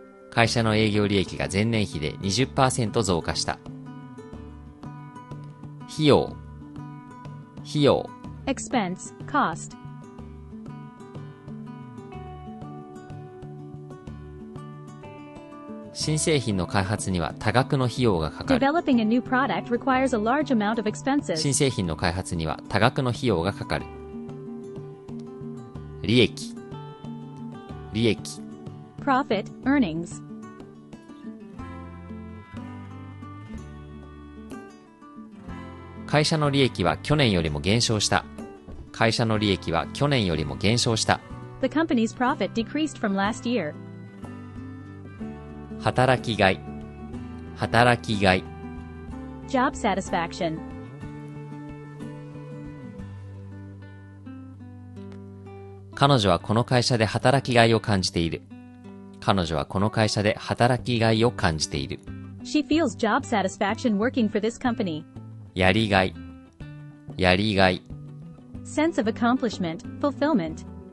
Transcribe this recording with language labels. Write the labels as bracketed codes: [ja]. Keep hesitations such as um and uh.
[ja] 会社の営業利益が前年比で20%増加した。費用費用 [en] expense cost [ja] 新製品の開発には多額の費用がかかる [en] Developing a new product requires a large amount of expenses [ja] 新製品の開発には多額の費用がかかる利益利益 [en] profit earnings [ja] 会社の利益は去年よりも減少した会社の利益は去年よりも減少した [en] The company's profit decreased from last year. [ja] 働きがい働きがい [en] Job satisfaction. [ja] 彼女はこの会社で働きがいを感じている彼女はこの会社で働きがいを感じている [en] She feels job satisfaction working for this company feels job [ja] やりがい、やりがい。 [en] sense of accomplishment, fulfillment.